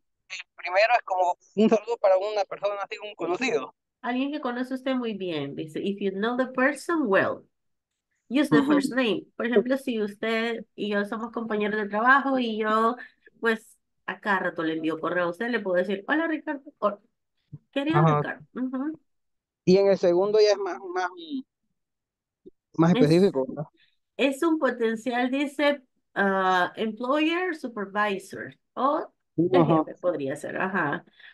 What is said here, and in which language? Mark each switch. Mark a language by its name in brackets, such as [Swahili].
[Spanish] El primero es como un saludo para una persona así, un conocido. Alguien que conoce usted muy bien. Dice, [English] if you know the person well, use the first name. [Spanish] Por ejemplo, si usted y yo somos compañeros de trabajo y yo, pues, a cada rato le envío correo a usted, le puedo decir, hola Ricardo, o, querido Ricardo. Y en el segundo ya es más específico, ¿no? Es un potencial, dice, employer, supervisor, o jefe podría ser, ajá.